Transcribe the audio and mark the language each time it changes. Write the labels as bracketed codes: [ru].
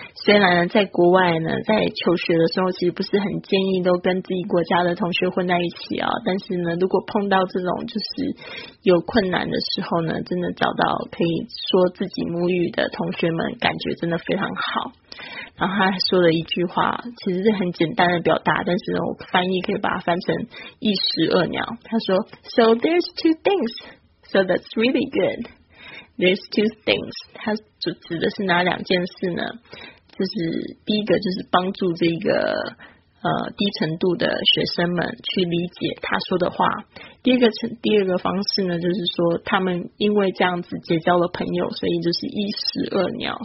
[zh] 虽然呢在国外呢在求学的时候其实不是很建议都跟自己国家的同学混在一起啊，但是呢如果碰到这种就是有困难的时候呢，真的找到可以说自己母语的同学们感觉真的非常好。然后他说了一句话，其实是很简单的表达，但是我翻译可以把它翻成一石二鸟。他说 [en] So there's two things, so that's really good. There's two things. [zh] 他就指的是哪两件事呢？就是第一个就是帮助这个低程度的学生们去理解他说的话。第二个方式呢，就是说他们因为这样子结交了朋友，所以就是一石二鸟。